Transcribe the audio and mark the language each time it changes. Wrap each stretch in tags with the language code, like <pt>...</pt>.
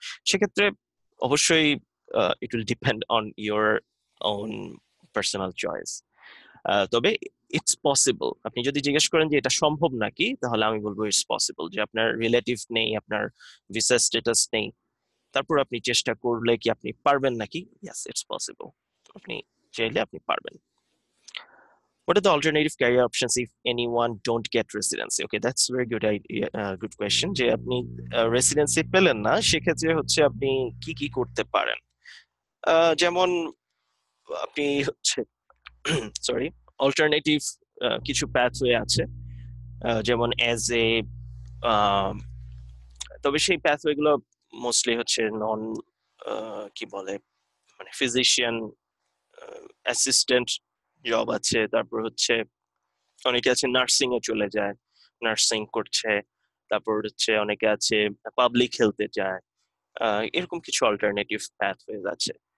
<bn>সেক্ষেত্রে অবশ্যই</bn> <en>It will depend on your own personal choice, তবে it's possible.</en> <bn>আপনি যদি জিজ্ঞেস করেন যে এটা সম্ভব নাকি, তাহলে আমি বলবো</bn> <en>it's possible,</en> <bn>যে আপনার রিলেটিভ নেই, আপনার ভিসা স্ট্যাটাস নেই, তারপর আপনি চেষ্টা করলে কি আপনি পারবেন নাকি,</bn> <en>yes it's possible,</en> <bn>আপনি চাইলে আপনি পারবেন।</bn> <en>What are the alternative career options if anyone don't get residency? Okay, that's a very good idea, good question.</en> <bn>যে আপনি রেসিডেন্সি পেলেন না, সেক্ষেত্রে হচ্ছে আপনি কি কি করতে পারেন? যেমন আপনি হচ্ছে সরি অল্টারনেটিভ কিছু প্যাথওয়ে আছে, যেমন অ্যাজ এ তবে সেই প্যাথওয়েগুলো মোস্টলি হচ্ছে নন কি বলে মানে ফিজিশিয়ান অ্যাসিস্ট্যান্ট জব আছে, তারপর হচ্ছে অনেকে আছে নার্সিং এ চলে যায়, নার্সিং করছে, তারপর হচ্ছে অনেকে আছে পাবলিক হেলথে যায়, এরকম কিছু অল্টারনেটিভ প্যাথওয়েজ আছে।</bn>